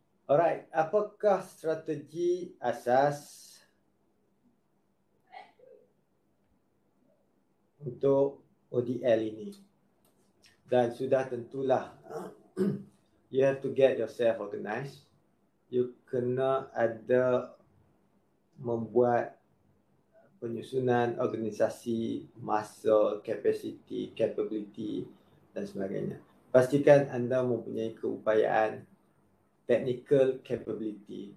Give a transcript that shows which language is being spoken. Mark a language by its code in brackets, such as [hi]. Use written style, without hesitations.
[ms] Alright, apakah strategi asas untuk ODL ini? Dan sudah tentulah, [en] you have to get yourself organized. [ms] You kena ada membuat penyusunan organisasi, masa, capacity, capability dan sebagainya. Pastikan anda mempunyai keupayaan technical capability.